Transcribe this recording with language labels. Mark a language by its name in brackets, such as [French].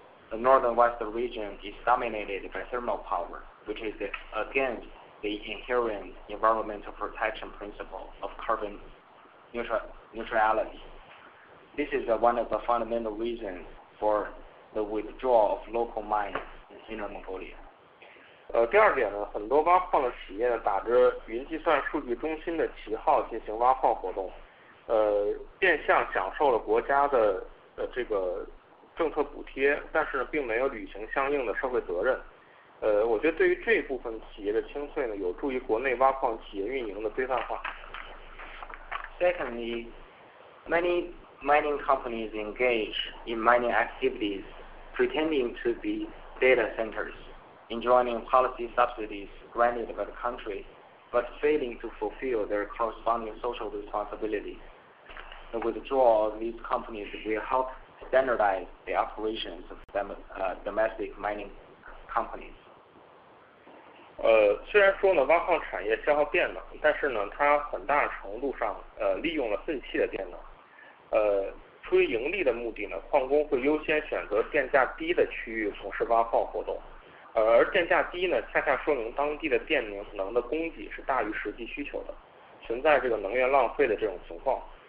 [English] The northern-western region is dominated by thermal power. which is against the inherent environmental protection principle of carbon neutrality. This is one of the fundamental reasons for the withdrawal of local mines in Inner Mongolia. [Chinese] 第二点呢，很多挖矿的企业打着云计算数据中心的旗号进行挖矿活动，变相享受了国家的这个政策补贴，但是并没有履行相应的社会责任。我觉得对于这部分企业的清退呢，有助于国内挖矿企业运营的规范化。 [English] Secondly, many mining companies engage in mining activities pretending to be data centers, enjoying policy subsidies granted by the country, but failing to fulfill their corresponding social responsibilities. The withdrawal of these companies will help standardize the operations of domestic mining companies. [Chinese] 虽然说呢，挖矿产业消耗电能，但是呢，它很大程度上利用了废弃的电能。出于盈利的目的呢，矿工会优先选择电价低的区域从事挖矿活动。而电价低呢，恰恰说明当地的电能的供给是大于实际需求的，存在这个能源浪费的这种情况。